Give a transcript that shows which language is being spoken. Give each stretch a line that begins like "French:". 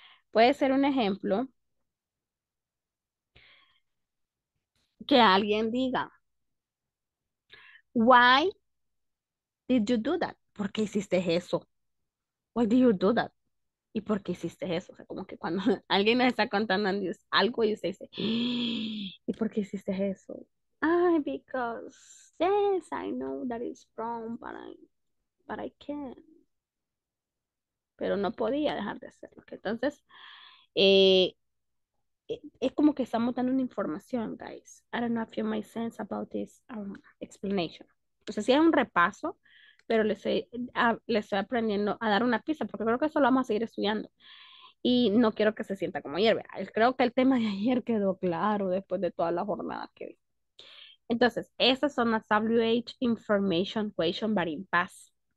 Spanish: Puede ser un ejemplo que alguien diga,
English: why did you do that?
Spanish: ¿Por qué hiciste eso?
English: Why did you do that?
Spanish: ¿Y por qué hiciste eso? O sea, como que cuando alguien nos está contando algo y usted dice, ¿y por qué hiciste eso?
English: Ay, because, yes, I know that is wrong, but I can't.
Spanish: Pero no podía dejar de hacerlo. Entonces, es como que estamos dando una información, guys.
English: I don't know if you make sense about this explanation.
Spanish: O sea, si es un repaso. Pero le estoy aprendiendo a dar una pista, porque creo que eso lo vamos a seguir estudiando. y no quiero que se sienta como hierve. Creo que el tema de ayer quedó claro después de toda la jornada que vi. Entonces, esas son las WH Information Question
English: but in past.